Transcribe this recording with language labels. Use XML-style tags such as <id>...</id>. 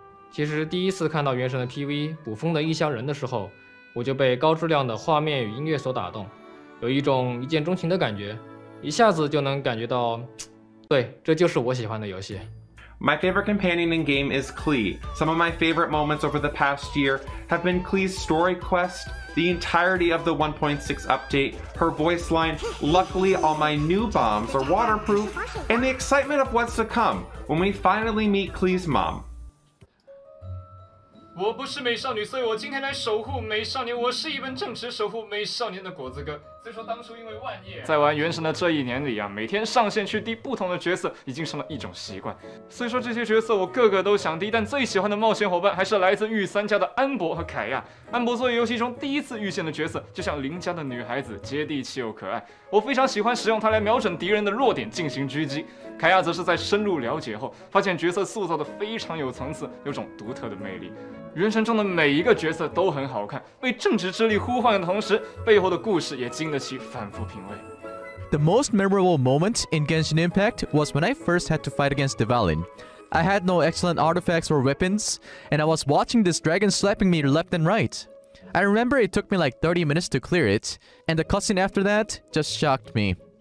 <zh>其实第一次看到原神的 PV《捕风的异乡人》的时候，我就被高质量的画面与音乐所打动，有一种一见钟情的感觉，一下子就能感觉到，对，这就是我喜欢的游戏。</zh> <en>My favorite companion in game is Klee. Some of my favorite moments over the past year have been Klee's story quest, the entirety of the 1.6 update, her voice line, luckily all my new bombs are waterproof, and the excitement of what's to come when we finally meet Klee's mom.</en> <zh>我不是美少女，所以我今天来守护美少年。我是一本正直守护美少年的果子哥。虽说当初因为万叶，在玩原神的这一年里啊，每天上线去滴不同的角色已经成了一种习惯。虽说这些角色我个个都想滴，但最喜欢的冒险伙伴还是来自御三家的安博和凯亚。安博作为游戏中第一次遇见的角色，就像邻家的女孩子，接地气又可爱。我非常喜欢使用它来瞄准敌人的弱点进行狙击。凯亚则是在深入了解后，发现角色塑造的非常有层次，有种独特的魅力。原神中的每一个角色都很好看，被正直之力呼唤的同时，背后的故事也经得起反复品味。</zh> <en>The most memorable moment in Genshin Impact was when I first had to fight against Dvalin. I had no excellent artifacts or weapons, and I was watching this dragon slapping me left and right. I remember it took me like 30 minutes to clear it, and the cutscene after that just shocked me.</en>